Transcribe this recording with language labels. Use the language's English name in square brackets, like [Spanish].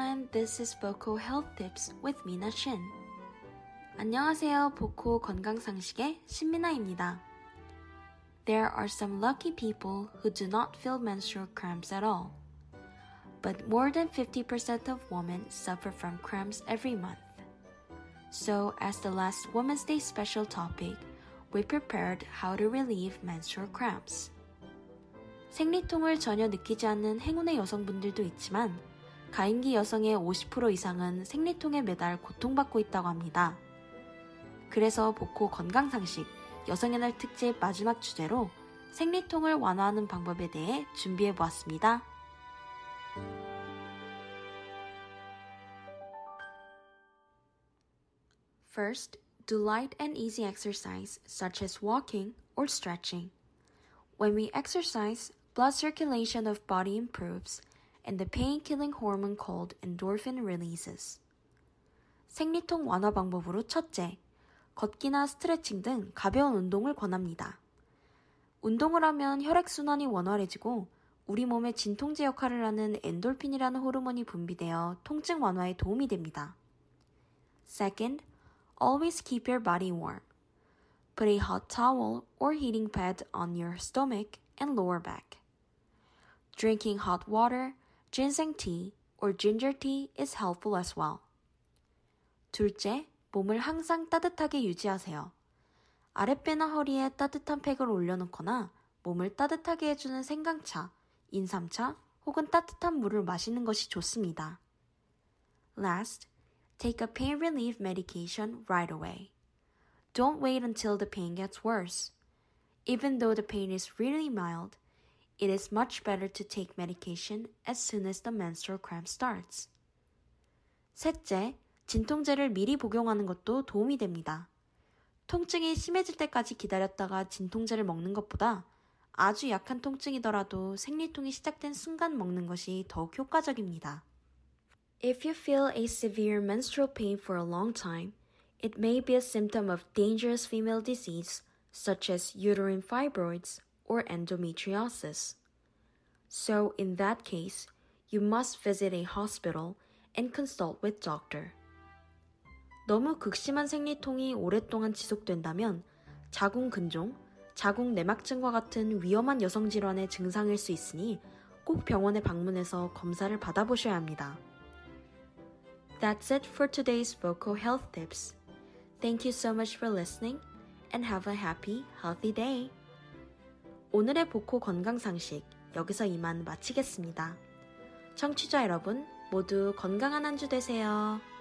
[English] This is Vocal Health Tips with Mina Shin. [Korean] 안녕하세요. 보코 건강상식의 신미나입니다. [English] There are some lucky people who do not feel menstrual cramps at all. But more than 50% of women suffer from cramps every month. So, as the last Women's Day special topic, we prepared how to relieve menstrual cramps. [Korean] 생리통을 전혀 느끼지 않는 행운의 여성분들도 있지만 가임기 여성의 50% 이상은 생리통에 매달 고통받고 있다고 합니다. 그래서 보코 건강상식 여성의 날 특집 마지막 주제로 생리통을 완화하는 방법에 대해 준비해보았습니다. [English] 1st, do light and easy exercise such as walking or stretching. When we exercise, blood circulation of body improves and the pain-killing hormone called endorphin releases. [Korean] 생리통 완화 방법으로 첫째, 걷기나 스트레칭 등 가벼운 운동을 권합니다. 운동을 하면 혈액순환이 원활해지고 우리 몸의 진통제 역할을 하는 엔돌핀이라는 호르몬이 분비되어 통증 완화에 도움이 됩니다. [English] Second, always keep your body warm. Put a hot towel or heating pad on your stomach and lower back. Drinking hot water, ginseng tea or ginger tea is helpful as well. [Korean] 둘째, 몸을 항상 따뜻하게 유지하세요. 아랫배나 허리에 따뜻한 팩을 올려놓거나 몸을 따뜻하게 해주는 생강차, 인삼차 혹은 따뜻한 물을 마시는 것이 좋습니다. [English] Last, take a pain relief medication right away. Don't wait until the pain gets worse. Even though the pain is really mild, it is much better to take medication as soon as the menstrual cramp starts. [Korean] 셋째, 진통제를 미리 복용하는 것도 도움이 됩니다. 통증이 심해질 때까지 기다렸다가 진통제를 먹는 것보다 아주 약한 통증이더라도 생리통이 시작된 순간 먹는 것이 더욱 효과적입니다. [English] If you feel a severe menstrual pain for a long time, it may be a symptom of dangerous female disease such as uterine fibroids or endometriosis. So in that case, you must visit a hospital and consult with doctor. [Korean] 너무 극심한 생리통이 오랫동안 지속된다면 자궁근종, 자궁내막증과 같은 위험한 여성질환의 증상일 수 있으니 꼭 병원에 방문해서 검사를 받아보셔야 합니다. [English] That's it for today's Vocal Health Tips. Thank you so much for listening and have a happy, healthy day. [Korean] 오늘의 보코 건강상식 여기서 이만 마치겠습니다. 청취자 여러분 모두 건강한 한 주 되세요.